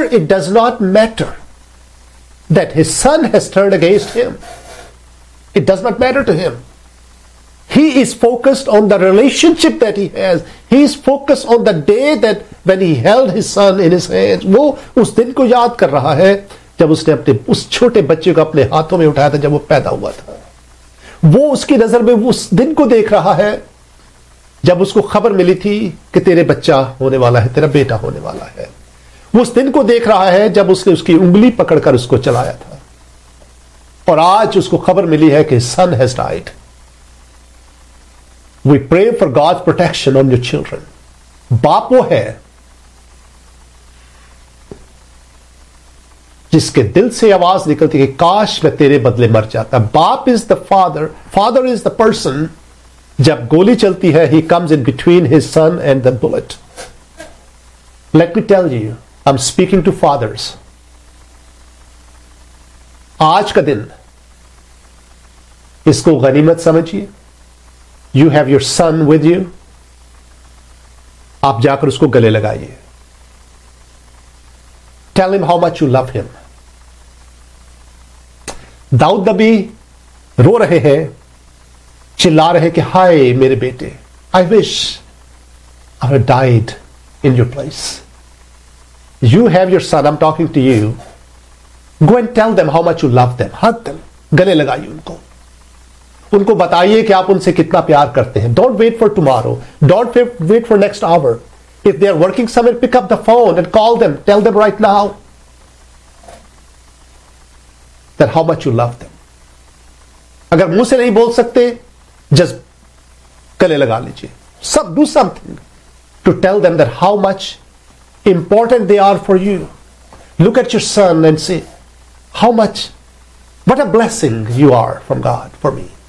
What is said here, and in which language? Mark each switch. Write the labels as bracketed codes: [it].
[en] To father, it does not matter. That his son has turned against him. It does not matter to him. He is focused on the relationship that he has. He is focused on the day that when he held his son in his hands. [ur] وہ اس دن کو یاد کر رہا ہے جب اس نے اپنے اس چھوٹے بچے کو اپنے ہاتھوں میں اٹھایا تھا جب وہ پیدا ہوا تھا. وہ اس کی نظر میں اس دن کو دیکھ رہا ہے جب اس کو خبر ملی تھی کہ تیرے بچہ ہونے والا ہے, تیرا بیٹا ہونے والا ہے. وہ اس دن کو دیکھ رہا ہے جب اس نے اس کی انگلی پکڑ کر اس کو چلایا تھا, اور آج اس کو خبر ملی ہے کہ [en] Son has died. We pray for God's protection on your children. [ur] باپ وہ ہے جس کے دل سے آواز نکلتی کہ کاش میں تیرے بدلے مر جاتا. [en] باپ is the father, father is the person, [ur] جب گولی چلتی ہے [en] He comes in between his son and the bullet. Let me tell you, I'm speaking to fathers. [ur] آج کا دن اس کو غنیمت سمجھیے. [en] You have your son with you. [ur] آپ جا کر اس کو گلے لگائیے. [en] Tell him how much you love him. [ur] داؤد نبی رو رہے ہیں, چلا رہے ہیں کہ ہائے میرے بیٹے, [en] I wish I had died in your place. You have your son, I'm talking to you. Go and tell them how much you love them. Hug them. [ur] گلے لگائیے ان کو. ان کو بتائیے کہ آپ ان سے کتنا پیار کرتے ہیں. [en] Don't wait for tomorrow. Don't wait for next hour. If they are working somewhere, pick up the phone and call them. Tell them right now that how much you love them. [ur] اگر منہ سے نہیں بول سکتے, just گلے لگا لیجیے. [en] Do something to tell them that how much important they are for you. Look at your son and say, how much, what a blessing you are from God for me.